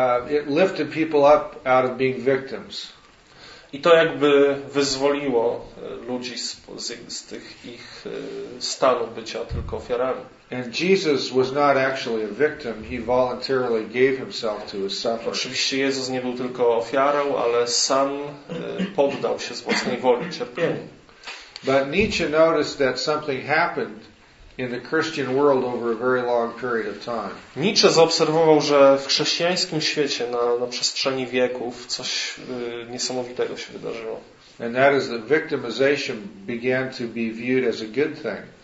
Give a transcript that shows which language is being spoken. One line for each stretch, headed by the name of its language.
English: It lifted people up out of being victims.
Polish: I to jakby wyzwoliło ludzi z tych ich stanu bycia tylko ofiarami.
English: And Jesus was not actually a victim. He voluntarily gave himself to his suffering.
Polish: Oczywiście Jezus nie był tylko ofiarą, ale sam poddał się z własnej woli cierpieniu.
English: But Nietzsche noticed that something happened in the Christian world over a very long period of time.
Polish: Nietzsche zaobserwował, że w chrześcijańskim świecie na przestrzeni wieków coś niesamowitego się wydarzyło.
English: And that is that victimization began to be viewed as a good thing.